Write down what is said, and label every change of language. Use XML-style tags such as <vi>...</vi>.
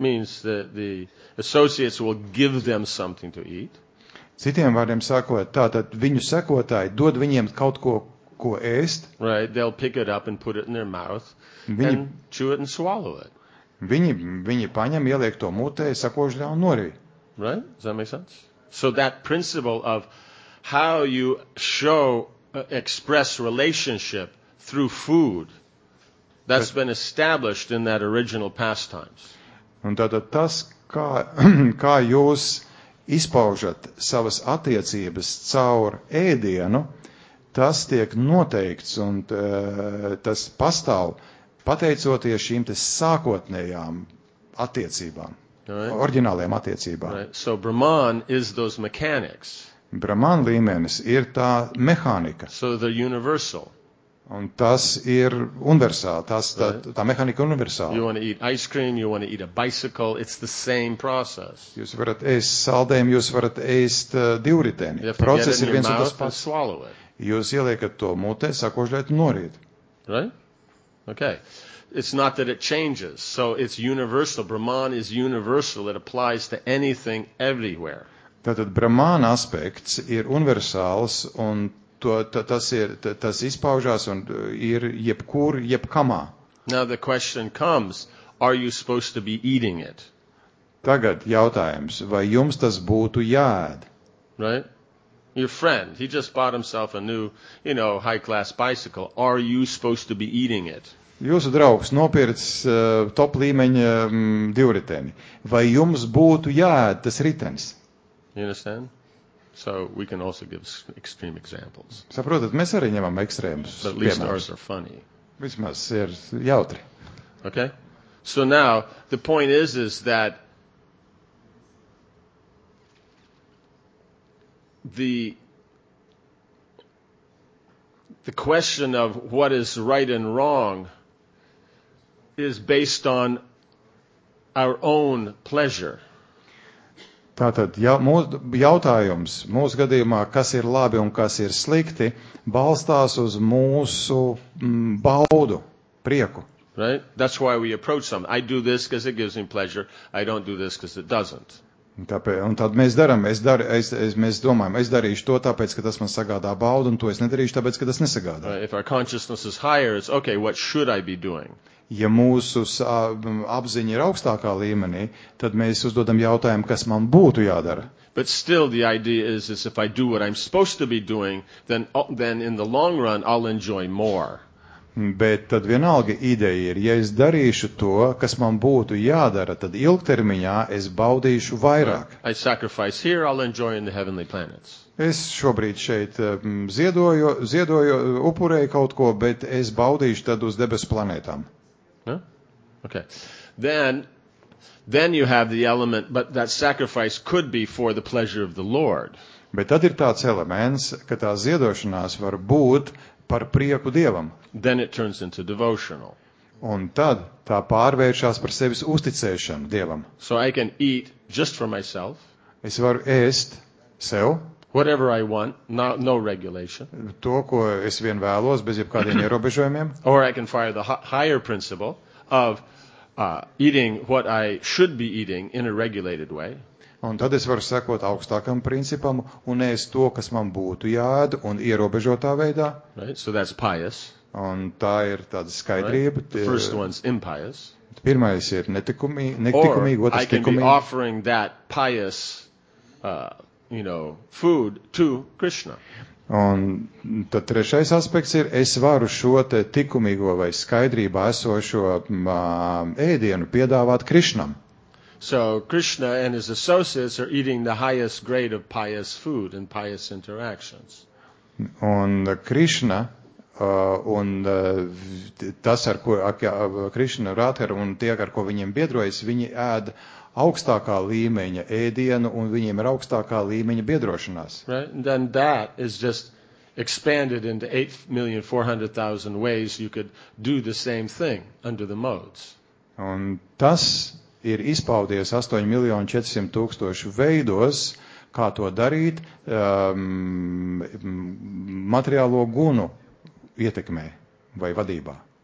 <en>Means that the associates will give them something to eat.</en> <lv>Citiem vārdiem sakot, tātad viņu sekotāji dod viņiem kaut ko, ko ēst.</lv> <en>Right, they'll pick it up and put it in their mouth viņi, and chew it and swallow it.</en> <lv>Viņi paņem, ieliek to mutē, sakožļā un norī.</lv> <en>Right, does that make sense? So that principle of how you show, express relationship through food, that's been established in that original pastimes.</en> <lv>Un tātad tas, kā jūs izpaužat savas attiecības caur ēdienu, tas tiek noteikts un tas pastāv pateicoties šīm te sākotnējām attiecībām,</lv> <en>right.</en> <lv>Oriģinālajām attiecībām.</lv> <en>Right. So Brahman is those mechanics.</en> <lv>Brahman līmenis ir tā mehānika.</lv> <en>So the universal.</en> <lv>Un tas ir universāli, tā mehānika universāla.</lv> <en>You want to eat ice cream, you want to eat a bicycle, it's the same process.</en> <lv>Jūs varat ēst saldējumu, jūs varat ēst divriteni. Process ir viens un tas pats. Jūs ieliekat to mutē, sakožļāt norīt.</lv> <en>Right? Okay. It's not that it changes, so it's universal. Brahman is universal, it applies to anything everywhere.</en> <lv>Tātad Brahmāna aspekts ir universāls un tas izpaužās un ir jebkur, jebkamā.</lv> <en>Now the question comes, are you supposed to be eating it?</en> <lv>Tagad jautājums, vai jums tas būtu jāēd?</lv> <en>Right? Your friend, he just bought himself a new, you know, high-class bicycle. Are you supposed to be eating it?</en> <lv>Jūsu draugs nopirds top līmeņa divriteni. Vai jums būtu jāēd tas ritenis?</lv> <en>You understand? So we can also give extreme examples.</en> <lv>Saprotat, mēs arī ņemam ekstrēmus</lv> <en>piemērus. But at least ours are funny.</en> <lv>Vismaz ir jautri.</lv> <en>Okay? So now, the point is that the question of what is right and wrong is based on our own pleasure.</en> <lv>Tātad jautājums mūsu gadījumā, kas ir labi un kas ir slikti, balstās uz mūsu baudu, prieku.</lv> <en>Right? That's why we approach them. I do this because it gives me pleasure. I don't do this because it doesn't.</en> <lv>Un tad mēs daram, mēs domājam, es darīšu to tāpēc, ka tas man sagādā baudu, un to es nedarīšu tāpēc, ka tas nesagādā.</lv> <en>If our consciousness is higher, it's okay, what should I be doing?</en> <lv>Ja mūsu apziņa ir augstākā līmenī, tad mēs uzdodam jautājumu, kas man būtu jādara.</lv> <en>But still the idea is if I do what I'm supposed to be doing, then in the long run I'll enjoy more.</en> <lv>Bet tad vienalga ideja ir, ja es darīšu to, kas man būtu jādara, tad ilgtermiņā es baudīšu vairāk.</lv> <en>I sacrifice here, I'll enjoy in the heavenly planets.</en> <lv>Es šobrīd šeit ziedoju, upurēju kaut ko, bet es baudīšu tad uz debesu planētām.</lv> <en>Okay. Then you have the element, but that sacrifice could be for the pleasure of the Lord.</en> <lv>Bet tad ir tāds elements, ka tā ziedošanās var būt par prieku Dievam.</lv> <en>Then it turns into devotional.</en> <lv>Un tad tā pārvēršas par sevis uzticēšanu Dievam.</lv> <en>So I can eat just for myself.</en> <lv>Es varu ēst sev.</lv> <en>Whatever I want, no regulation.</en> <lv>To, ko es vien vēlos, bez jebkādiem ierobežojumiem.</lv> <en>Or I can fire the higher principle of eating what I should be eating in a regulated way.</en> <lv>Un tad es varu sekot augstākam principam un ēst to, kas man būtu jāēd un ierobežotā veidā.</lv> <en>Right? So that's pious.</en> <lv>Un tā ir tāda skaidrība.</lv> <en>Right? The first one's impious.</en> <lv>Pirmais ir netikumīgi, otrs tikumīgi.</lv> <en>Or I can be offering that pious, you know, food to Krishna.</en> <lv>Un tad trešais aspekts ir, es varu šo te tikumīgo vai skaidrību esošo ēdienu piedāvāt Krišnam.</lv> <en>So Krishna and his associates are eating the highest grade of pious food and pious interactions.</en> <lv>Un Krishna un tas, ar ko Krishna Radhara un tie, ar ko viņiem biedrojas, viņi ēd augstākā līmeņa ēdienu un viņiem ir augstākā līmeņa biedrošanās.</lv> <en>Right? And then that is just expanded into 8,400,000 ways you could do the same thing under the modes.</en> <lv>Un tas ir izpaudies 8,400,000 veidos, kā to darīt materiālo gunu ietekmē vai vadībā.</lv>